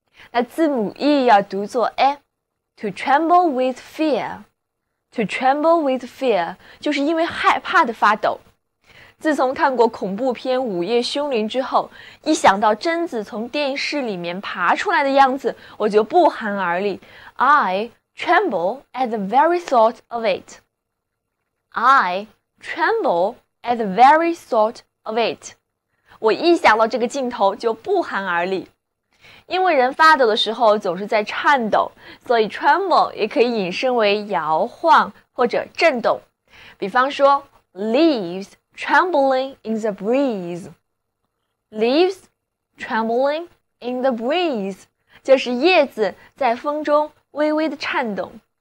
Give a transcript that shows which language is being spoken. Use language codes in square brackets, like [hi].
[zh] 那字母 E 要读作 A, [en] to tremble with fear, To tremble with fear [zh] 就是因为害怕的发抖。自从看过恐怖片《午夜凶铃》之后，一想到贞子从电视里面爬出来的样子，我就不寒而栗。 [en] I tremble at the very thought of it. I tremble at the very thought of it. [zh] 我一想到这个镜头就不寒而栗。因为人发抖的时候总是在颤抖，所以 tremble 也可以引申为摇晃或者震动。比方说 ， [en] leaves trembling in the breeze， [zh] leaves trembling in the breeze 就是叶子在风中微微的颤动。